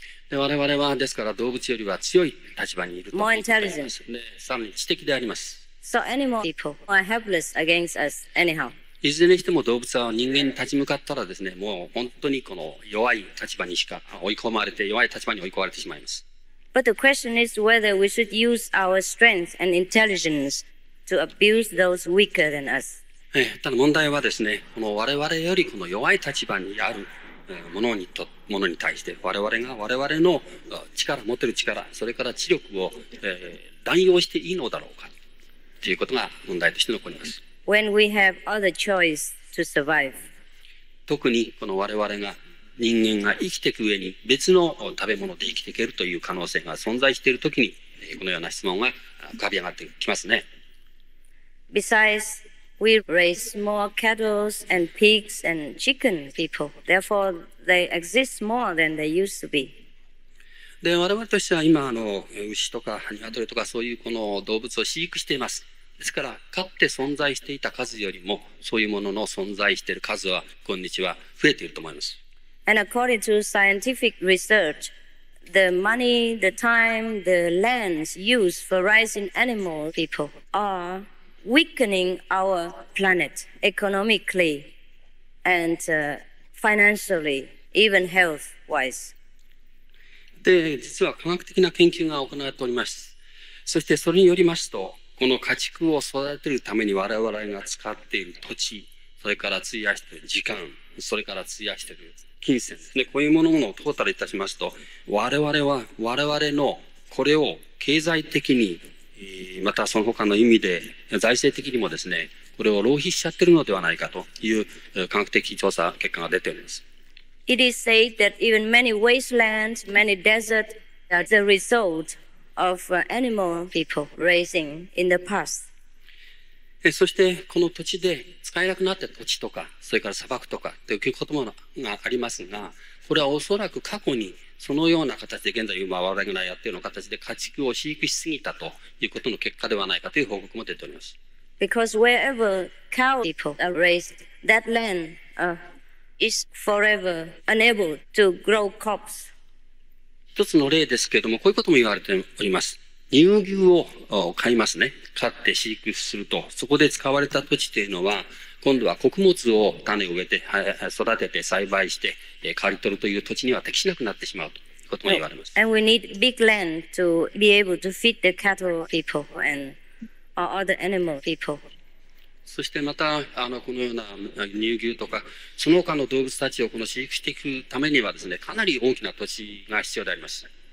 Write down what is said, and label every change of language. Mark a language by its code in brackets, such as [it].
[ja] で、我々はですから動物よりは強い立場にいると [en] 。More intelligent. [ja] で、さらに知的であります。 [en] So animal people are helpless against us anyhow. [ja] いずれにしても動物は人間に立ち向かったらですね、もう本当にこの弱い立場にしか追い込まれて、弱い立場に追い込まれてしまいます。 [en] But the question is whether we should use our strength and intelligence to abuse those weaker than us. [ja] ただ問題はですね、この我々よりこの弱い立場にあるものに、ものに対して、我々が我々の力、持てる力、それから知力を乱用していいのだろうか、ということが問題として残ります。 [en] When we have other choice to survive. [ja] 特にこの我々が人間が生きていく上に別の食べ物で生きていけるという可能性が存在しているときにこのような質問が浮かび上がってきますね。 [en] Besides, we raise more cattle and pigs and chicken people. Therefore, they exist more than they used to be. [ja] で、我々としては今牛とか鶏とかそういうこの動物を飼育しています。ですから、飼って存在していた数よりも、そういうものの存在している数は、今日は増えていると思います。 [en] And according to scientific research, the money, the time, the lands used for raising animal people are weakening our planet economically and financially, even health-wise. [ja] で、実は科学的な研究が行われております。そしてそれによりますと、この家畜を育てるために我々が使っている土地、それから費やしている時間、それから費やしている金銭ですね。こういうものをトータルいたしますと、我々は我々のこれを経済的に、またその他の意味で財政的にもですね、これを浪費しちゃってるのではないかという科学的調査結果が出ています。 [en] It is said that even many wastelands, many deserts are the resultof animal people raising in the past. [ja] そしてこの土地で使えなくなった土地とか、それから砂漠とかっていうこともがありますが、これはおそらく過去にそのような形で現在今我々がやっているような形で家畜を飼育しすぎたということの結果ではないかという報告も出ております。 [en] Because wherever cow people are raised, that land is forever unable to grow crops. [ja] 一つの例ですけれども、こういうことも言われております。乳牛を飼いますね。飼って飼育すると、そこで使われた土地というのは、今度は穀物を種を植えて、育てて栽培して、刈り取るという土地には適しなくなってしまうということも言われます。 [en] And we need big land to be able to feed the cattle people and other animal people. [ja] そしてまたこのような乳牛とかその他の動物たちをこの飼育していくためにはですね、かなり大きな土地が必要であります。